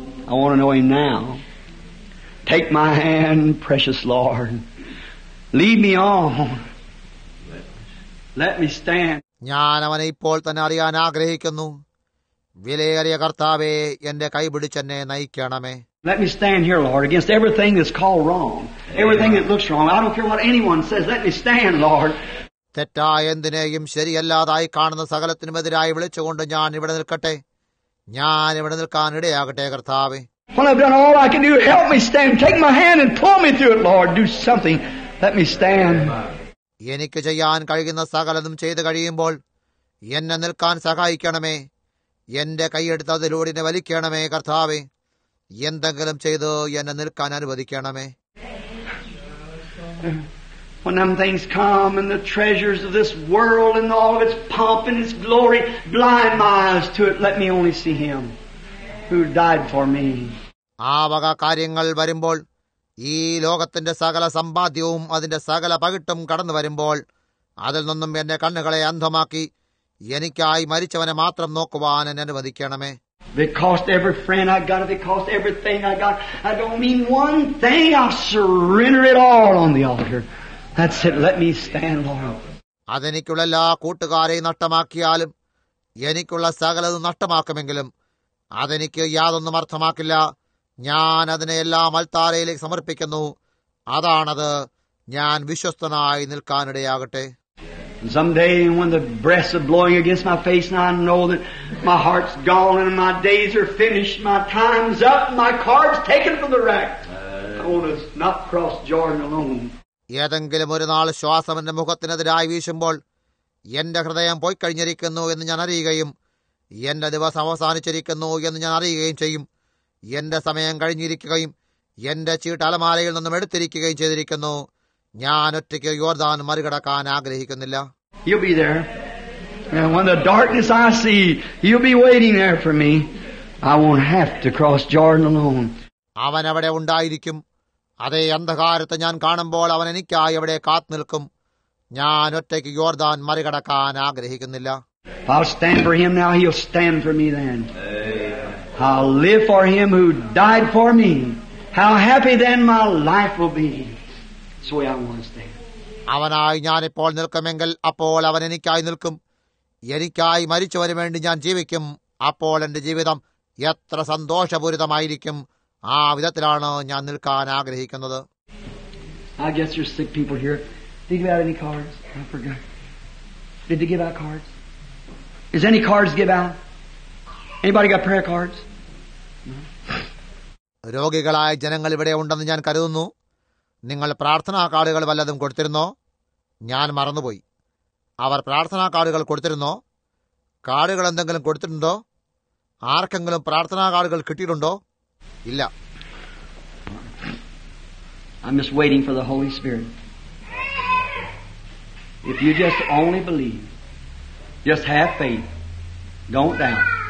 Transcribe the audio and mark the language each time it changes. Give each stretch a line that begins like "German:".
English: I want to know him now. Take my hand, precious Lord. Lead me on. Let me stand.
Malayalam: ഞാൻ അവനെ ഇപ്പോൾ തന്നെ അറിയാൻ ആഗ്രഹിക്കുന്നു. വിലയേറിയ കർത്താവേ, എന്റെ കൈപിടിച്ചെന്നെ നയിക്കണമേ.
English: Let me stand here, Lord, against everything that's called wrong. Everything that looks wrong. I don't care what anyone says. Let me stand, Lord.
Malayalam: തെറ്റായ എന്തിനേയും ശരിയല്ലാതായി കാണുന്ന സകലത്തിനുമെതിരായി വിളിച്ചുകൊണ്ട് ഞാൻ ഇവിടെ നിൽക്കട്ടെ. ഞാൻ ഇവിടെ നിൽക്കാൻ ഇടയാകട്ടെ കർത്താവേ.
English: When I've done all I can do, help me stand. Take my hand and pull me through it, Lord. Do something. Let me stand.
Malayalam: എനിക്ക് ചെയ്യാൻ കഴിയുന്ന സകലതും ചെയ്തു കഴിയുമ്പോൾ എന്നെ നിൽക്കാൻ സഹായിക്കണമേ. എന്റെ കൈയെടുത്തതിലൂടെ എന്നെ വലിക്കണമേ കർത്താവേ. എന്തെങ്കിലും ചെയ്ത് എന്നെ നിൽക്കാൻ അനുവദിക്കണമേ.
English: When them things come and the treasures of this world and all of its pomp and its glory blind my eyes to it, let me only see him who died for me.
Malayalam: ആവക കാര്യങ്ങൾ വരുമ്പോൾ, ഈ ലോകത്തിന്റെ സകല സമ്പാദ്യവും അതിന്റെ സകല പകിട്ടും കടന്നു വരുമ്പോൾ, അതിൽ നിന്നും എന്റെ കണ്ണുകളെ അന്ധമാക്കി എനിക്കായി മരിച്ചവനെ മാത്രം നോക്കുവാൻ എന്നെ അനുവദിക്കണമേ.
English: Because every friend I got, because everything I got, I don't mean one thing, I'll surrender it all on the altar. That's it. Let me stand, Lord.
Malayalam: അതെനിക്കുള്ള എല്ലാ കൂട്ടുകാരെയും നഷ്ടമാക്കിയാലും എനിക്കുള്ള സകലതും നഷ്ടമാക്കുമെങ്കിലും അതെനിക്ക് യാതൊന്നും അർത്ഥമാക്കില്ല. ഞാൻ അതിനെ എല്ലാം അൽത്താരയിലേക്ക് സമർപ്പിക്കുന്നു. അതാണത്. ഞാൻ വിശ്വസ്തനായി നിൽക്കാനിടയാകട്ടെ.
English: Someday when the breath is blowing against my face and I know that my heart's gone and my days are finished, my time's up, my card's taken from the rack, I want to not cross Jordan alone.
Malayalam: ഏതെങ്കിലും ഒരു നാൾ ശ്വാസം എന്റെ മുഖത്തിനെതിരായി വീശുമ്പോൾ എന്റെ ഹൃദയം പോയി കഴിഞ്ഞിരിക്കുന്നു എന്ന് ഞാൻ അറിയുകയും എന്റെ ദിവസം അവസാനിച്ചിരിക്കുന്നു എന്ന് ഞാൻ അറിയുകയും ചെയ്യും. എന്റെ സമയം കഴിഞ്ഞിരിക്കുകയും എന്റെ ചീട്ട് അലമാലയിൽ നിന്നും എടുത്തിരിക്കുകയും ചെയ്തിരിക്കുന്നു. ഞാൻ ഒറ്റയ്ക്ക് യോർദാൻ മറികടക്കാൻ ആഗ്രഹിക്കുന്നില്ല.
English: You'll be there. And when the darkness I see, you'll be waiting there for me. I won't have to cross Jordan alone.
Malayalam: അവൻ അവിടെ ഉണ്ടായിരിക്കും. അതേ അന്ധകാരത്തെ ഞാൻ കാണുമ്പോൾ അവൻ എനിക്കായി അവിടെ കാത്തുനിൽക്കും. ഞാൻ ഒറ്റയ്ക്ക് യോർദാൻ മറികടക്കാൻ ആഗ്രഹിക്കുന്നില്ല.
English: I'll stand for him now, he'll stand for me then. I'll live for him who died for me. How happy then my life will be. That's the way I want to stand.
Malayalam: അവനായി ഞാനിപ്പോൾ നിൽക്കുമെങ്കിൽ അപ്പോൾ അവൻ എനിക്കായി നിൽക്കും. എനിക്കായി മരിച്ചവന് വേണ്ടി ഞാൻ ജീവിക്കും. അപ്പോൾ എന്റെ ജീവിതം എത്ര സന്തോഷപൂരിതമായിരിക്കും. ആ വിധത്തിലാണ് ഞാൻ നിൽക്കാൻ ആഗ്രഹിക്കുന്നത്.
English: I guess you're sick people here. Did you give out any cards? I forgot. Did you give out cards? Is any cards give out? Anybody got prayer cards?
Malayalam: രോഗികളായ ജനങ്ങൾ ഇവിടെ ഉണ്ടെന്ന് ഞാൻ കരുതുന്നു. നിങ്ങൾ പ്രാർത്ഥനാ കാർഡുകൾ വല്ലതും കൊടുത്തിരുന്നോ? ഞാൻ മറന്നുപോയി. അവർ പ്രാർത്ഥനാ കാർഡുകൾ കൊടുത്തിരുന്നോ? കാർഡുകൾ എന്തെങ്കിലും കൊടുത്തിട്ടുണ്ടോ? ആർക്കെങ്കിലും പ്രാർത്ഥനാ കാർഡുകൾ കിട്ടിയിട്ടുണ്ടോ? ഇല്ല.
English: I'm just waiting for the Holy Spirit. If you just only believe, just have faith, don't doubt.